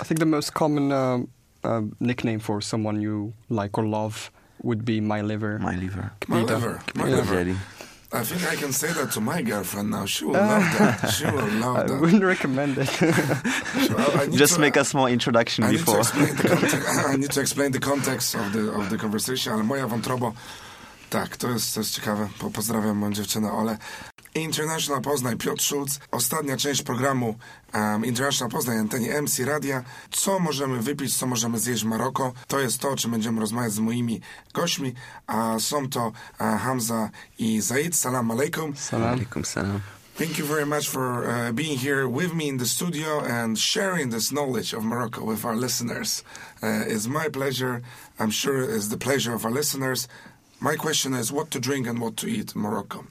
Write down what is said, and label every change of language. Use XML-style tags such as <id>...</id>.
<en>I think the most common nickname for someone you like or love would be my liver. My liver. My liver. I think I can say that to my girlfriend now. She will love that. I wouldn't recommend it. Make a small introduction before. I need to explain the context of the conversation.</en> <pl>Ale moja wątroba, tak, to jest ciekawe. Pozdrawiam moją dziewczynę Olę. International Poznań, Piotr Schulz. Ostatnia część programu International Poznań, antenie MC Radia. Co możemy wypić, co możemy zjeść w Maroko? To jest to, o czym będziemy rozmawiać z moimi gośćmi. A są to Hamza i Zaid.</pl> <ar>Salam alaikum. Salam alaikum, salam.</ar> <en>Thank you very much for being here with me in the studio and sharing this knowledge of Morocco with our listeners. It's my pleasure. I'm sure it's the pleasure of our listeners. My question is, what to drink and what to eat in Morocco?</en>